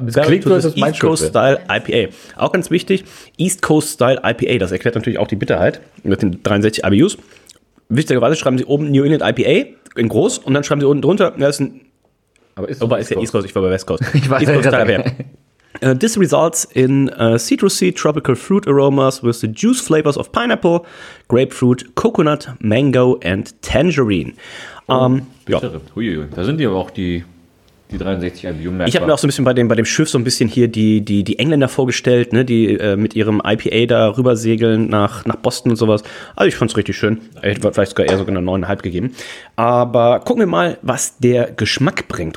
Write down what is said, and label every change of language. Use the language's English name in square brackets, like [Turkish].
[English] barrel to this East Coast Style IPA. [German] Auch ganz wichtig, East Coast Style IPA, das erklärt natürlich auch die Bitterheit mit den 63 IBUs. Wichtigerweise schreiben sie oben New England IPA in groß und dann schreiben sie unten drunter, das ist ein. Aber ist, oh, ist ja East Coast, ich war bei West Coast. Ich weiß, [English] East Coast Style IPA. This results in citrusy tropical fruit aromas with the juice flavors of pineapple, grapefruit, coconut, mango and tangerine. [German] Da sind ja auch die. Die 63 IBU merkbar. Ich habe mir auch so ein bisschen bei dem Schiff so ein bisschen hier die Engländer vorgestellt, ne, die mit ihrem IPA da rüber segeln nach Boston und sowas. Also ich fand es richtig schön. Ich hätte vielleicht sogar eher sogar eine 9,5 gegeben. Aber gucken wir mal, was der Geschmack bringt.